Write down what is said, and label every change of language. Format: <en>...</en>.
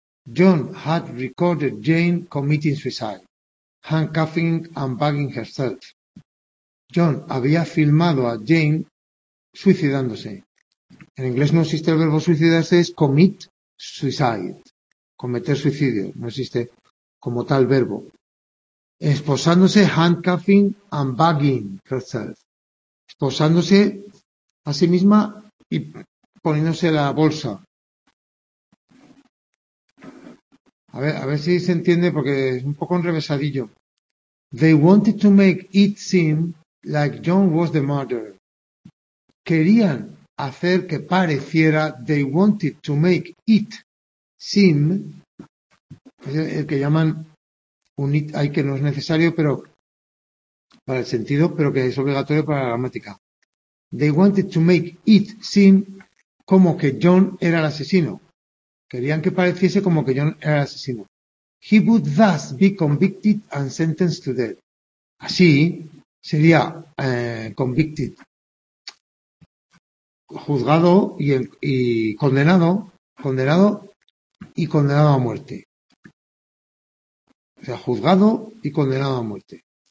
<en>John had recorded Jane committing suicide, handcuffing and bagging herself.</en> <es>John había filmado a Jane suicidándose. En inglés no existe el verbo suicidarse, es</es> <en>commit suicide,</en> <es>cometer suicidio, no existe como tal verbo. Esposándose,</es> <en>handcuffing and bagging herself.</en> <es>Esposándose a sí misma y poniéndose la bolsa. A ver si se entiende, porque es un poco enrevesadillo.</es> <en>They wanted to make it seem like John was the murderer.</en> <es>Querían hacer que pareciera,</es> <en>they wanted to make it seem,</en> <es>el que llaman un it, hay que no es necesario, pero para el sentido, pero que es obligatorio para la gramática.</es> <en>They wanted to make it seem</en> <es>como que John era el asesino. Querían que pareciese como que John era el asesino.</es> <en>He would thus be convicted and sentenced to death.</en> <es>Así sería convicted, juzgado y condenado y condenado a muerte. O sea, juzgado y condenado a muerte.</es>